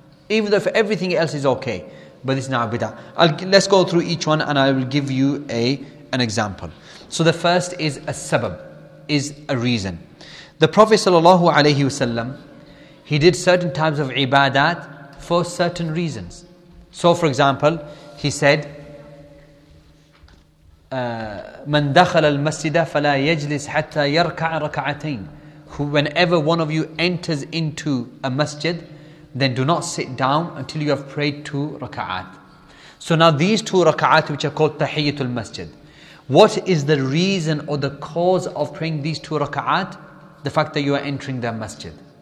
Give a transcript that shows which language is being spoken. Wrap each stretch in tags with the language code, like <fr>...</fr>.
<en>Even though for everything else is okay, but this is now a bid'ah. Let's go through each one and I will give you an example. So the first is a sabab, is a reason. The Prophet sallallahu alaihi wasallam, he did certain types of ibadat for certain reasons. So for example, he said,</en> <ar>من دخل المسجد فلا يجلس حتى يركع ركعتين.</ar> <en>Whenever one of you enters into a masjid, then do not sit down until you have prayed two raka'at. So now these two raka'at, which are called tahiyyatul masjid, what is the reason or the cause of praying these two raka'at? The fact that you are entering the masjid.</en>